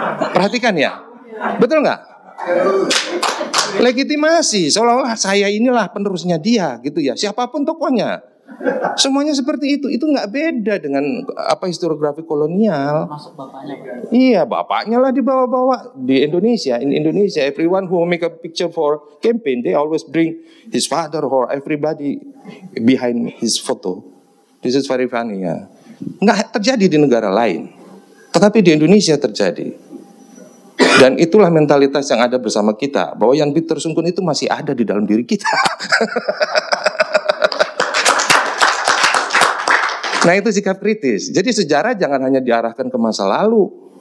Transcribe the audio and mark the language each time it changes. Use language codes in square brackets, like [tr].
[id] Perhatikan ya, betul nggak? Legitimasi, seolah-olah saya inilah penerusnya dia, gitu ya. Siapapun tokohnya, semuanya seperti itu. Itu nggak beda dengan apa historiografi kolonial. Masuk bapaknya. Iya, bapaknya lah dibawa-bawa di Indonesia. [en] In Indonesia, everyone who make a picture for campaign, they always bring his father or everybody behind his photo. This is very funny ya. [id] Nggak terjadi di negara lain, tetapi di Indonesia terjadi. Dan itulah mentalitas yang ada bersama kita, bahwa Jan Pieter Zoon itu masih ada di dalam diri kita. Nah, itu sikap kritis. Jadi sejarah jangan hanya diarahkan ke masa lalu.